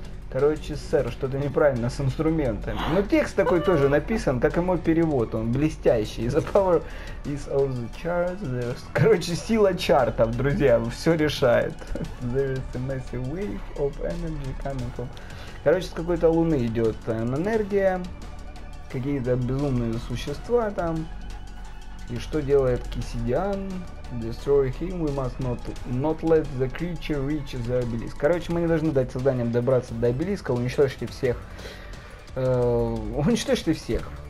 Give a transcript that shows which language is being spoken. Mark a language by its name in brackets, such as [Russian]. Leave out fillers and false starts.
[Russian] Короче, сэр, что-то неправильно с инструментами. Но текст такой тоже написан, как и мой перевод, он блестящий. [English] The power is of the charts. [Russian] Короче, сила чартов, друзья, все решает. [English] There is a massive wave of energy coming from... [Russian] Короче, с какой-то луны идет энергия, какие-то безумные существа там. И что делает Кисидиан? [English] Destroy him, we must not let the creature reach the obelisk. [Russian] Короче, мы не должны дать созданиям добраться до обелиска, уничтожьте всех. Уничтожьте всех.